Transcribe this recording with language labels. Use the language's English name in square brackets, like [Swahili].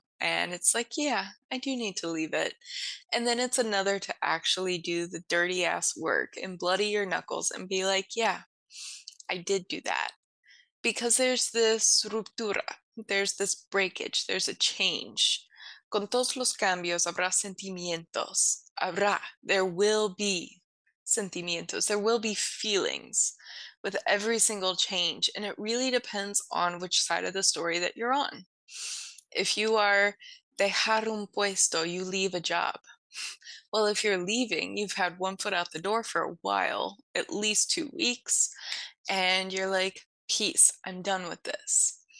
[English] And it's like, yeah, I do need to leave it. And then it's another to actually do the dirty ass work and bloody your knuckles and be like, yeah, I did do that. Because there's this ruptura, there's this breakage, there's a change. [Spanish] Con todos los cambios, habrá sentimientos. Habrá. [English] There will be sentimientos. There will be feelings with every single change. And it really depends on which side of the story that you're on. If you are [Spanish] dejar un puesto, [English] you leave a job. Well, if you're leaving, you've had one foot out the door for a while, at least 2 weeks, and you're like, peace, I'm done with this.